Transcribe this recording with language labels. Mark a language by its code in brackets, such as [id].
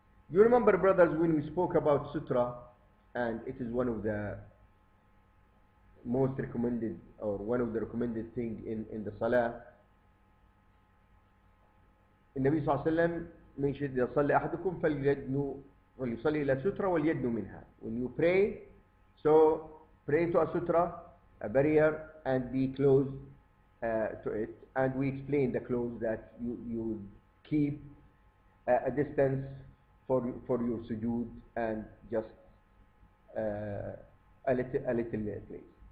[en] You remember, brothers, when we spoke about sutra, and it is one of the most recommended, or one of the recommended things in the salah. [ar] النبي صلى الله عليه وسلم mentioned إذا صلى أحدكم فليدنو وليصلي إلى سترة وليدنو منها. [en] When you pray, so pray to a sutra, a barrier, and be close to it. And we explain the close that you keep a distance for your sujood and just a little place.